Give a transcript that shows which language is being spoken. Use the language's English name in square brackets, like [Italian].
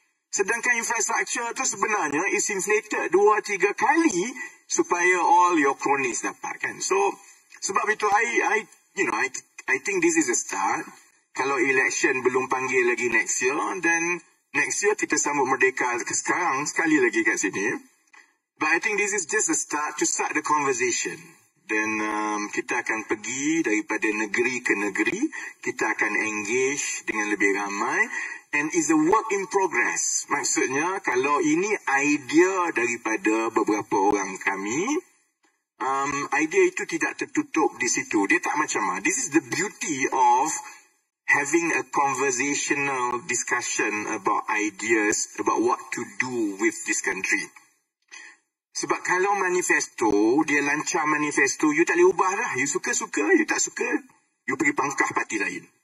[Malay] Sedangkan infrastructure tu sebenarnya [English] is inflated [Malay] 2-3 kali supaya [English] all your cronies [Malay] dapat, kan. [English] So, [Malay] sebab itu [English] I think this is a start. [Malay] Kalau election belum panggil lagi next year, then next year kita sambut merdeka ke sekarang sekali lagi kat sini. [English] But I think this is just a start to start the conversation. [Malay] Dan kita akan pergi daripada negeri ke negeri. Kita akan engage dengan lebih ramai. [English] And it's a work in progress. [Malay] Maksudnya, kalau ini idea daripada beberapa orang kami, Idea itu tidak tertutup di situ. Dia tak macam, [English] this is the beauty of having a conversational discussion about ideas, about what to do with this country. [Malay] Sebab kalau manifesto, dia lancar manifesto, you tak boleh ubah lah. You suka-suka, you tak suka, you pergi pangkah parti lain.